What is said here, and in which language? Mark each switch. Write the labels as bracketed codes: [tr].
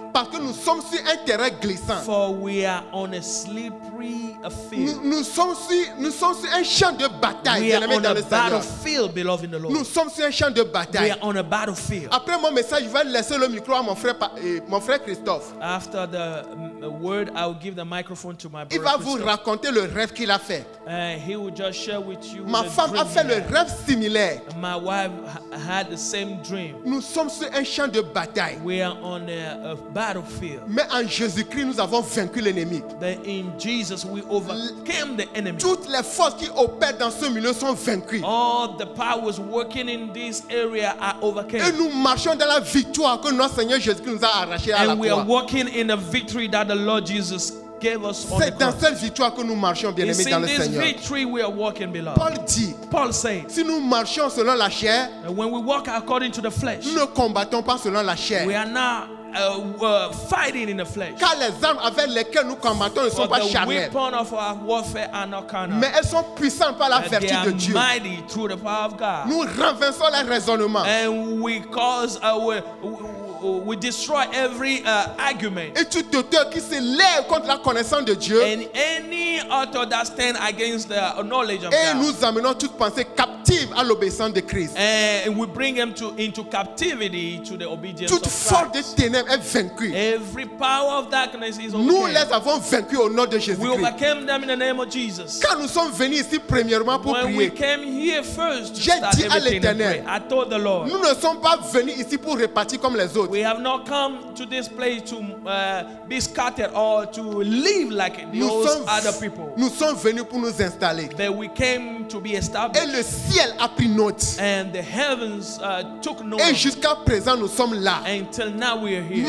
[fr] Parce que nous sommes sur un terrain glissant. [en] For we are on a slippery field. [fr] Nous sommes sur un champ de bataille. [en] We are on [fr] dans [en] a battlefield, beloved in the Lord. [fr] Nous sommes sur un champ de bataille. [en] We are on a battlefield. [fr] Après mon message, je vais laisser le micro à mon frère Christophe. [en] After the word, I will give the microphone to my brother. [fr] Il va vous [en] Christophe. [fr] Raconter le rêve qu'il a fait. [en] He will just share with you. [fr] Ma femme a fait le rêve similaire. [en] My wife had the same dream. [fr] Nous sommes sur un champ de bataille. [en] We are on a battlefield. [fr] Mais en Jésus-Christ, nous avons vaincu l'ennemi. [en] But in Jesus, we overcame the enemy. [fr] Toutes les forces qui opèrent dans ce milieu sont vaincues. [en] All the powers working in this area are overcame. [fr] Et nous marchons dans la victoire que notre Seigneur Jésus-Christ nous a arrachée à la croix. [en] And we are walking in the victory that the Lord Jesus gave us on the cross. [fr] C'est dans cette victoire que nous marchons, bien-aimés, dans le Seigneur. [en] It's in this victory we are walking, beloved. [fr] Paul dit, [en] Paul said, [fr] si nous marchons selon la chair, [en] when we walk according to the flesh, [fr] nous ne combattons pas selon la chair. [en] We are not fighting in the flesh. [fr] Car les armes avec lesquelles nous combattons ne sont pas charnelles. [en] The weapon of our warfare are not carnal. [fr] Mais elles sont puissantes par la vertu de Dieu. [en] Mighty through the power of God. [fr] Nous renversons les raisonnements. [en] And we cause we destroy every argument. [fr] Et tout auteur qui se lève contre la connaissance de Dieu. [en] And any author that stands against the knowledge of [fr] et Et nous amenons toute pensée captive à l'obéissance de Christ. [en] And we bring them into captivity to the obedience [fr] toute [en] of Christ. [fr] Toute force ténèbres est vaincu. [en] Every power of darkness is overcome. [fr] Nous les avons vaincus au nom de Jésus-Christ. [en] We overcame them in the name of Jesus. [fr] Quand nous sommes venus ici premièrement pour [en] when [fr] prier, [en] we came here first to [fr] j'ai dit à l'Éternel, [en] I told the Lord, [fr] nous ne sommes pas venus ici pour répartir comme les autres. [en] We have not come to this place to be scattered or to live like [fr] nous [en] those other people. [fr] Nous sommes venus pour nous installer. [en] But we came to be established. [fr] Et le ciel a pris note. [en] And the heavens took note. [fr] Et jusqu'à présent, nous sommes là. [en] Until now, we here.